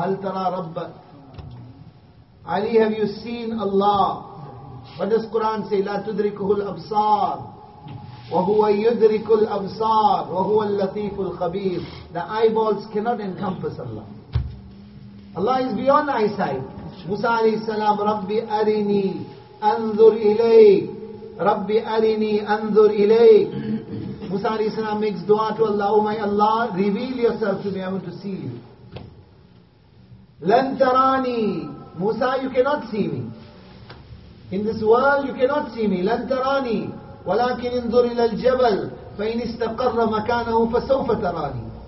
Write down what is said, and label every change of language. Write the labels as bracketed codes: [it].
[ar] Hal tara rabba? [en] Ali, have you seen Allah? What does Quran say? [ar] La tudrikuhu al-absar. وَهُوَ يُدْرِكُ الْأَبْصَارِ وَهُوَ اللَّطِيفُ الْخَبِيرِ. [en] The eyeballs cannot encompass Allah. Allah is beyond eyesight. [ar] Musa alayhi salam, رَبِّ أَرِنِي أَنْذُرْ إِلَيْكَ رَبِّ أَرِنِي أَنْذُرْ إِلَيْكَ. [en] Musa alayhi salam makes dua to Allah, O my Allah, reveal yourself to me, I want to see you. [ar] لَنْ تَرَانِي. [en] Musa, you cannot see me. In this world, you cannot see me. [ar] لَنْ تَرَانِي. وَلَكِنْ انْظُرْ إِلَى الْجَبَلْ فَإِنِ اسْتَقَرَّ مَكَانَهُ فَسَوْفَ تَرَانِي.